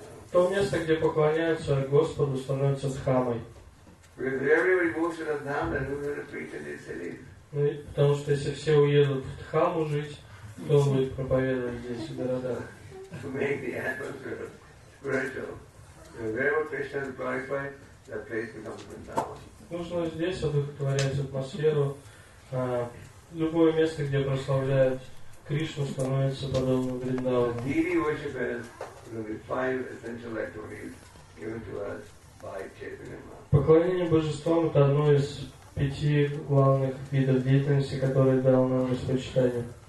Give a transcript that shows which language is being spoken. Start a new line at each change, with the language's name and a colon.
Russian: То место, где поклоняются Господу, становится дхамой. Потому что если все уедут в дхаму жить, кто будет проповедовать здесь, в городах?
English: to make the atmosphere spiritual. And wherever Krishna is glorified, that place becomes Vrindavan.
Russian: Нужно здесь одухотворять атмосферу. Любое место, где прославляют Кришну, становится подобным Вриндаваном.
English: Deity worshippers, the five essential activities given to us by Chaitanya Mahaprabhu.
Russian: Поклонение божествам — это одно из пяти главных видов деятельности, которые дал нам распочитание.